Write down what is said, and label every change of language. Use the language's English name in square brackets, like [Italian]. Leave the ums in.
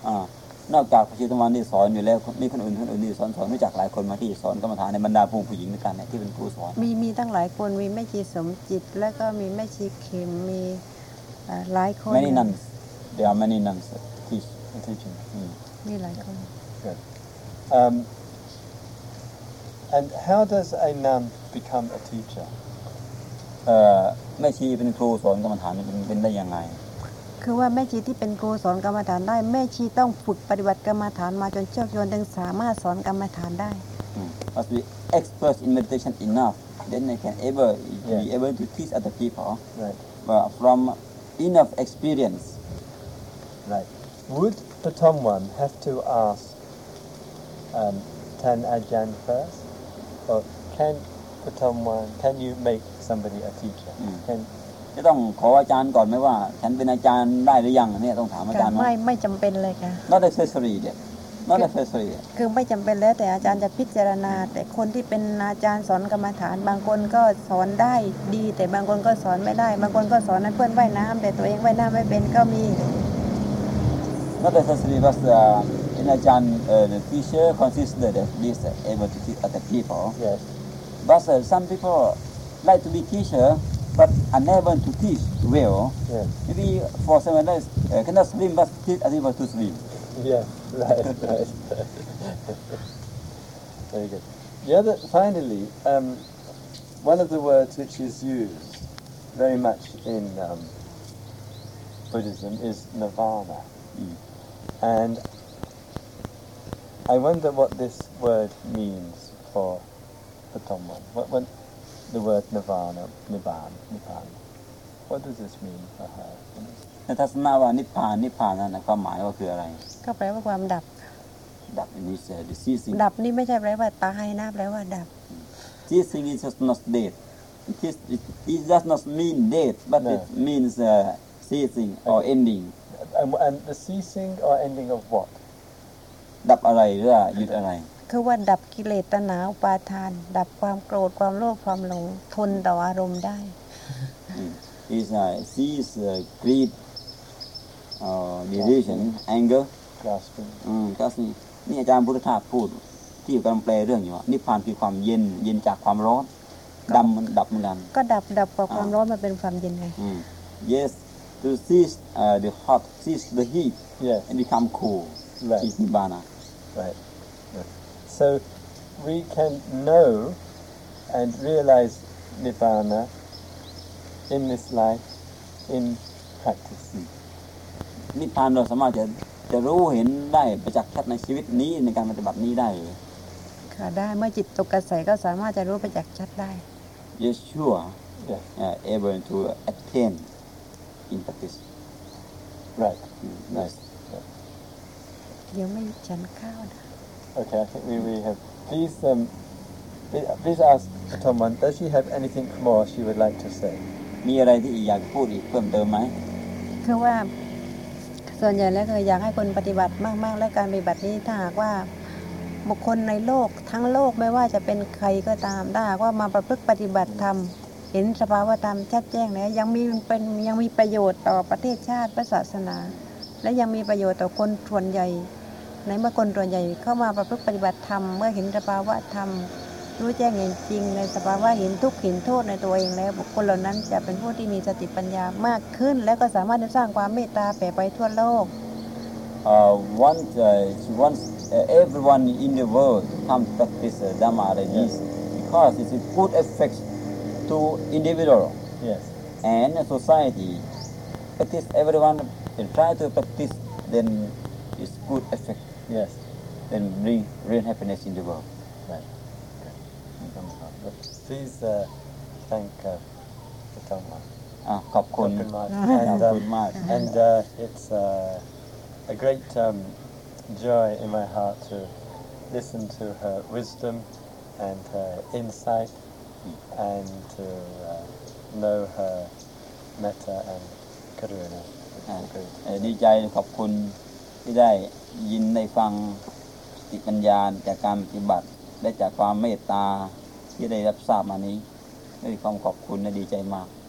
[Thai] อ่านอกจากพระชีตวันที่สอนอยู่แล้วคนมีคนอื่นคนอื่นที่สอนสอนรู้จักหลายคนมาที่สอนกรรมฐานในบรรดาผู้ผู้หญิงด้วยกันเนี่ยที่เป็นครูสอน มีมีตั้งหลายคนมีแม่ชีสมจิต แล้วก็มีแม่ชีเข็มมีเอ่อหลายคน ไม่นี่นั่น [English] there are many nuns teach in teaching. [Thai] มีหลายคน [English] Good. Um, and how does a nun become a teacher? [Thai] เอ่อแม่ชีเป็นครูสอนกรรมฐานเป็นเป็นได้ยังไง คือว่าแม่ชีที่เป็นครูสอนกรรมฐานได้แม่ชีต้องฝึกปฏิบัติกรรมฐานมาจนเชี่ยวชาญจึงสามารถสอนกรรมฐานได้ อ [English] Must be expert in meditation enough, then they can able be Yeah. able to teach other people. Right. But from enough experience, Right. Would the Tomwan have to ask um, Tan Ajahn first? Or can the Tomwan, can you make somebody a teacher? Mm. Can, [Thai] จะต้องขออาจารย์ก่อนไหมว่าฉันเป็นอาจารย์ได้หรือยังเนี่ยต้องถามอาจารย์ไหม ไม่ไม่จำเป็นเลยค่ะ [English] Not necessary [Thai] เนี่ย [English] Not necessary [Thai] คือไม่จำเป็นแล้วแต่อาจารย์จะพิจารณา แต่คนที่เป็นอาจารย์สอนกรรมฐาน บางคนก็สอนได้ดี แต่บางคนก็สอนไม่ได้ บางคนก็สอนให้เพื่อนว่ายน้ำแต่ตัวเองว่ายน้ำไม่เป็นก็มี [English] Not necessary but uh, in อาจารย์ uh, the teacher consider that this uh, able to teach other people yes. but uh, some people like to be teacher but unable to teach well Yeah. maybe for someone else uh, cannot swim but teach other people to swim Yeah. Right. right. Very good. The other, finally, um, one of the words which is used very much in um, Buddhism is nirvana. Mm. And I wonder what this word means for the Tomwan. What, what the word nirvana, nirvana, nirvana. What does this mean for her? [Thai] แต่ทัศนะว่านิพพานนิพพานนั่นนะความหมายว่าคืออะไร ก็แปลว่าความดับ ดับนิสเซอร์ [English] ceasing [Thai] ดับนี่ไม่ใช่แปลว่าตายนะแปลว่าดับ [English] Teasing is just not dead. It, is, it, it does not mean dead, but No. it means uh, ceasing or ending. And, and the ceasing or ending of what? ดับอะไรหรือว่าหยุดอะไร คือว่าดับกิเลสตัณหาอุปาทาน ดับความโกรธความโลภความหลงทนต่ออารมณ์ได้ Is uh, cease uh, greed, uh, delusion, anger. Grasping. [Thai] อืมก็สินี่อาจารย์พุทธทาสพูด ที่อยู่กำลังแปลเรื่องอยู่ว่านิพพานคือความเย็นเย็นจากความร้อนดำมันดับเหมันดัน ก็ดับดับกว่าความร้อนมาเป็นความเย็นไง Mm. [English] Yes, to cease uh, the hot, cease the heat, Yes. and become cool. Right. Is nibbana. Right. right. So we can know and realize Nibbana in this life, in practice. [Thai] นิพพานเราสามารถจะจะรู้เห็นได้ประจักษ์ชัดในชีวิตนี้ในการปฏิบัตินี้ได้เลย ค่ะได้เมื่อจิตตกกระแสก็สามารถจะรู้ประจักษ์ชัดได้ [English] Yes, sure, Yes, uh, able to attain in practice. right. Mm, Right. Yes. [Thai] เดี๋ยวไม่ฉันข้าวนะ [English] Okay, I think we really have. Please, um, please- please ask Tomon, does she have anything more she would like to say? [Thai] มีอะไรที่อีกอยากพูดอีกเพิ่มเติมไหม คือว่าส่วนใหญ่แล้วคืออยากให้คนปฏิบัติมาก ๆ และการปฏิบัตินี้ถ้าหากว่าบุคคลในโลกทั้งโลกไม่ว่าจะเป็นใครก็ตามถ้าหากว่ามาประพฤติปฏิบัติธรรม เห็นสภาวธรรมชัดแจ้งแล้วยังมีเป็นยังมีประโยชน์ต่อประเทศชาติพระศาสนา และยังมีประโยชน์ต่อคนส่วนใหญ่ ในเมื่อคนส่วนใหญ่เข้ามาประพฤติปฏิบัติธรรมเมื่อเห็นสภาวะธรรม รู้แจ้งเห็นจริง ในสภาวะเห็นทุกข์เห็นโทษในตัวเองแล้ว บุคคลเหล่านั้นจะเป็นผู้ที่มีสติปัญญามากขึ้น และก็สามารถจะสร้างความเมตตาแผ่ไปทั่วโลก [English] เอ่อ want uh, she wants uh, everyone in the world to come to practice uh, Dhamma like this because it's a good effect to individual Yes. and society. Practice everyone and try to practice then it's good effect. Yes. then bring real happiness in the world. Right. Good. Tomon, but Please uh, thank uh, Tomon. [Thai] อ่ะขอบคุณ [English] Open mind. [Thai] ขอบ [English] And, um, [Thai] คุณมาก [English] And uh, it's uh, a great um, joy in my heart to listen to her wisdom and her insight and to uh, know her metta and karuna. อ่ะ It's a great [Thai] เอ่อดีใจขอบคุณที่ได้ยินได้ฟังสติปัญญาจากการปฏิบัติ และจากความเมตตาที่ได้รับทราบมานี้ด้วยความขอบคุณและดีใจมาก